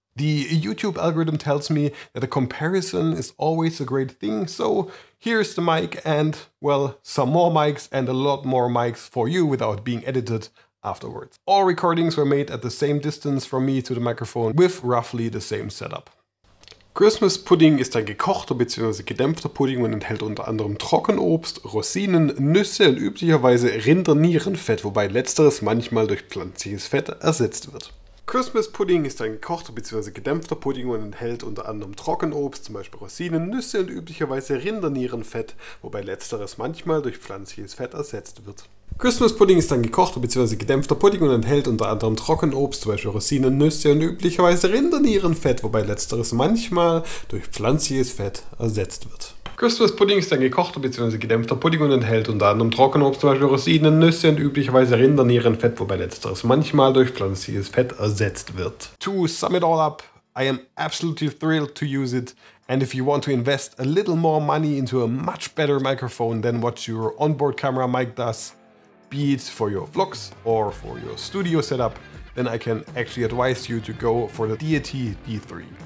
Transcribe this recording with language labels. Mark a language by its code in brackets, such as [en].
[en] The YouTube algorithm tells me that a comparison is always a great thing. So here's the mic and, well, some more mics and a lot more mics for you without being edited afterwards. All recordings were made at the same distance from me to the microphone with roughly the same setup. [de] Christmas pudding ist ein gekochter bzw. gedämpfter Pudding und enthält unter anderem Trockenobst, Rosinen, Nüsse und üblicherweise Rindernierenfett, wobei letzteres manchmal durch pflanzliches Fett ersetzt wird. Christmas pudding ist ein gekochter bzw. gedämpfter Pudding und enthält unter anderem Trockenobst, zum Beispiel Rosinen, Nüsse und üblicherweise Rindernierenfett, wobei letzteres manchmal durch pflanzliches Fett ersetzt wird. Christmas pudding ist ein gekochter bzw. gedämpfter Pudding und enthält unter anderem Trockenobst, zum Beispiel Rosinen, Nüsse und üblicherweise Rindernierenfett, wobei letzteres manchmal durch pflanzliches Fett ersetzt wird. Christmas pudding ist ein gekochter bzw. gedämpfter Pudding und enthält unter anderem Trockenobst, zum Beispiel Rosinen, Nüsse und üblicherweise Rindernierenfett, wobei letzteres manchmal durch pflanzliches Fett ersetzt wird. [en] To sum it all up, I am absolutely thrilled to use it. And if you want to invest a little more money into a much better microphone than what your onboard camera mic does, be it for your vlogs or for your studio setup, then I can actually advise you to go for the Deity D3.